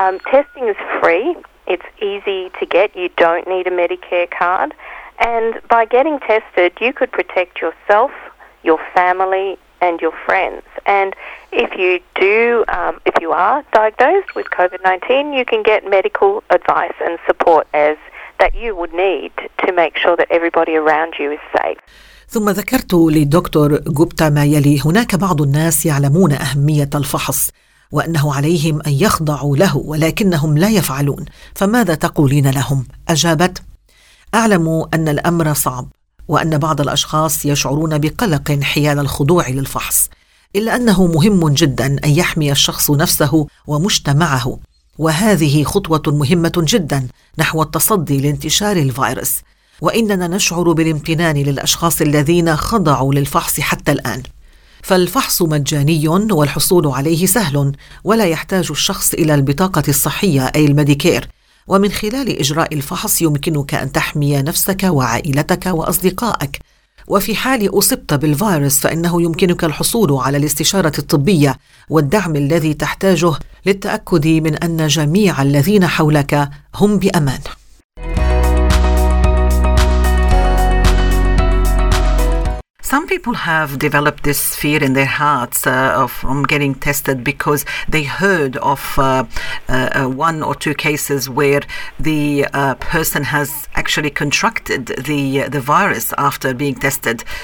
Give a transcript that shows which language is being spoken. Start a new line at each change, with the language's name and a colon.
English: Testing is free, it's easy to get, you don't need a Medicare card, and by getting tested you could protect yourself, your family and your friends. And if you do, if you are diagnosed with COVID-19, you can get medical advice and support as that you would need to make sure that everybody around you is safe.
Arabic: ثم ذكرت لدكتور جوبتا ما يلي: هناك بعض الناس يعلمون أهمية الفحص وأنه عليهم أن يخضعوا له ولكنهم لا يفعلون، فماذا تقولين لهم؟ أجابت: أعلم أن الأمر صعب وأن بعض الأشخاص يشعرون بقلق حيال الخضوع للفحص، إلا أنه مهم جدا أن يحمي الشخص نفسه ومجتمعه، وهذه خطوة مهمة جدا نحو التصدي لانتشار الفيروس، وإننا نشعر بالامتنان للأشخاص الذين خضعوا للفحص حتى الآن. فالفحص مجاني والحصول عليه سهل، ولا يحتاج الشخص إلى البطاقة الصحية أي الميديكير، ومن خلال إجراء الفحص يمكنك أن تحمي نفسك وعائلتك وأصدقائك. وفي حال أصبت بالفيروس فإنه يمكنك الحصول على الاستشارة الطبية والدعم الذي تحتاجه للتأكد من أن جميع الذين حولك هم بأمان.
English: Some people have developed this fear in their hearts from getting tested because they heard of one or two cases where the person has actually contracted the virus after being tested.